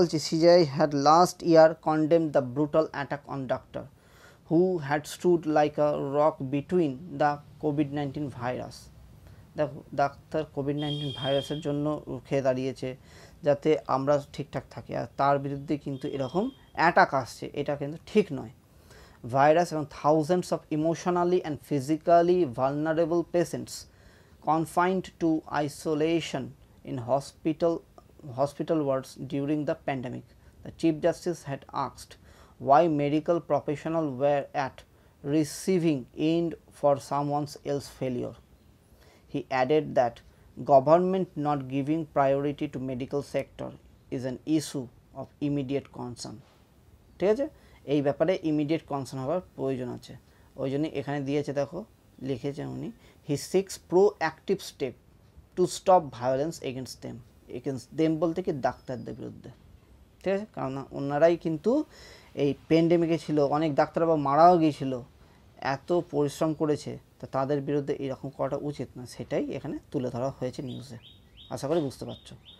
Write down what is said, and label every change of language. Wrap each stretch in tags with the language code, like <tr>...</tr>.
<en>CGI had last year condemn the brutal attack on doctor who had stood like a rock between the COVID-19 virus.</en> <bn>দেখো, doctor COVID-19 ভাইরাসের জন্য রুখে দাঁড়িয়েছে যাতে আমরা ঠিকঠাক থাকি, আর তার বিরুদ্ধে কিন্তু এরকম অ্যাটাক আসছে, এটা কিন্তু ঠিক নয়।</bn> <en>Virus এবং thousands of emotionally and physically vulnerable patients confined to isolation in hospital wards during the pandemic, the Chief Justice had asked why medical professionals were at receiving end for someone else's failure. He added that government not giving priority to medical sector is an issue of immediate concern.</en> <bn>ঠিক আছে, এই ব্যাপারে immediate concern হওয়ার প্রয়োজন আছে, ওই জন্যই এখানে দিয়েছে। দেখো, লিখেছে উনি, হি six proactive step to stop violence against them, against them বলতে কি ডাক্তারদের বিরুদ্ধে, ঠিক আছে, কারণ ওনারাই কিন্তু এই প্যান্ডেমিকে ছিল, অনেক ডাক্তারবাবু মারাও গিয়েছিল, এত পরিশ্রম করেছে, তো তাদের বিরুদ্ধে এরকম করাটা উচিত না, সেটাই এখানে তুলে ধরা হয়েছে নিউজে, আশা করি বুঝতে পারছো।</bn>